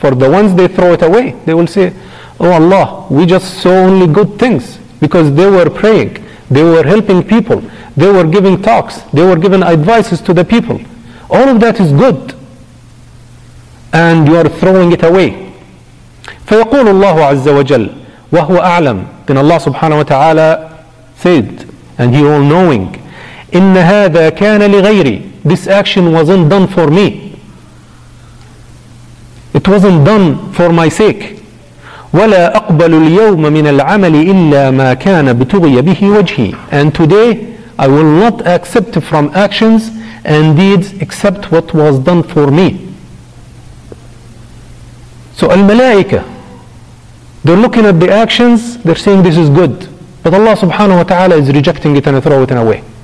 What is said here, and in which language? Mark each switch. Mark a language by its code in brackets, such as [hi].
[en] For the ones they throw it away, they will say, oh Allah, we just saw only good things, because they were praying, they were helping people, they were giving talks, they were giving advices to the people. All of that is good, and you are throwing it away. [ar] فيقول الله عز وجل وهو أعلم. [en] Then Allah subhanahu wa ta'ala said, and He all knowing, [ar] إن هذا كان لغيري. [en] This action wasn't done for me, it wasn't done for my sake. [ar] ولا أقبل اليوم من العمل إلا ما كان بتغي به وجهي. [en] And today I will not accept from actions and deeds except what was done for me. So al-malaika, they're looking at the actions, they're saying this is good. But Allah subhanahu wa ta'ala is rejecting it and throw it away.